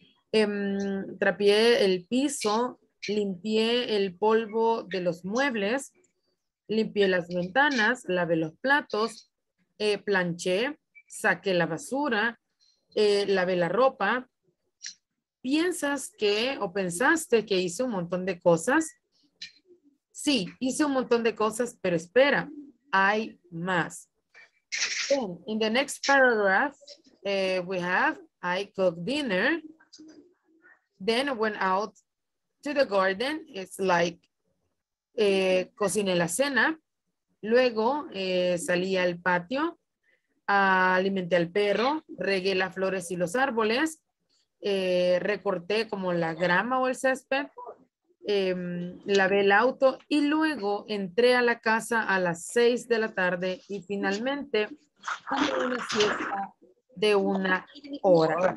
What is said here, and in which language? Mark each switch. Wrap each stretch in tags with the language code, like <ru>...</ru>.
<es>Trapié el piso, limpié el polvo de los muebles, limpié las ventanas, lavé los platos, planché, saqué la basura, lavé la ropa. ¿Piensas que o pensaste que hice un montón de cosas? Sí, hice un montón de cosas, pero espera, hay más.</es> <en>In the next paragraph, we have, I cooked dinner, then went out to the garden. It's like,</en> <es>cociné la cena, luego salí al patio, alimenté al perro, regué las flores y los árboles, recorté como la grama o el césped, lavé el auto y luego entré a la casa a las 6 de la tarde y finalmente tuve una siesta de una hora.</es>